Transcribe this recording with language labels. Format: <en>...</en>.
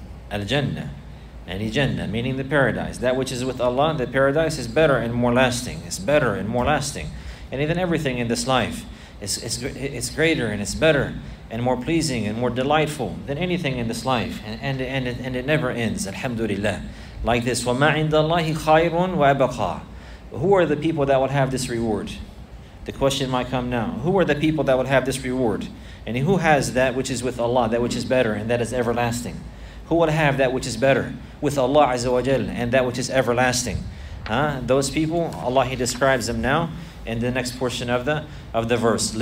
<en>Al-Jannah. And Jannah, meaning the paradise. That which is with Allah, the paradise, is better and more lasting. It's better and more lasting. And even everything in this life is greater and it's better and more pleasing and more delightful than anything in this life. And it never ends, alhamdulillah. Like this,</en> <ar>وَمَا عِنْدَ اللَّهِ خَيْرٌ وَأَبَقَى.</ar> <en>Who are the people that would have this reward? The question might come now. Who are the people that would have this reward? And who has that which is with Allah, that which is better and that is everlasting? Who would have that which is better with Allah Azza wa Jal and that which is everlasting? Those people, Allah, He describes them now in the next portion of the verse.</en>